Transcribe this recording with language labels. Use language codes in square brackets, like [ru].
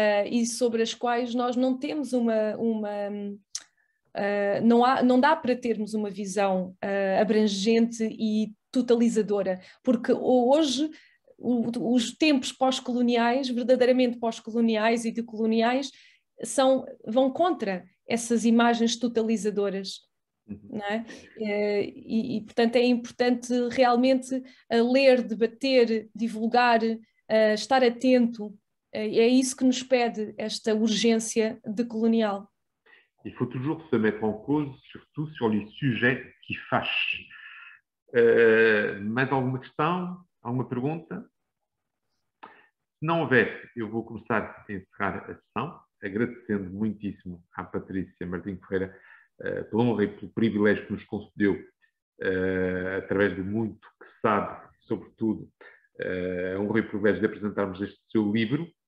[pt] E sobre as quais nós não temos não dá para termos uma visão abrangente e totalizadora, porque hoje os tempos pós-coloniais, verdadeiramente pós-coloniais e decoloniais, vão contra essas imagens totalizadoras, não é? E portanto é importante realmente ler, debater, divulgar, estar atento. É isso que nos pede esta urgência decolonial. [fr] Il faut toujours se mettre en cause, surtout sur les sujets qui fâchent. [pt] Mais alguma questão? Alguma pergunta? Se não houver, eu vou começar a encerrar a sessão, agradecendo muitíssimo à Patrícia Martins Ferreira pela honra e pelo privilégio que nos concedeu, através de muito que sabe, sobretudo, a honra e o privilégio de apresentarmos este seu livro.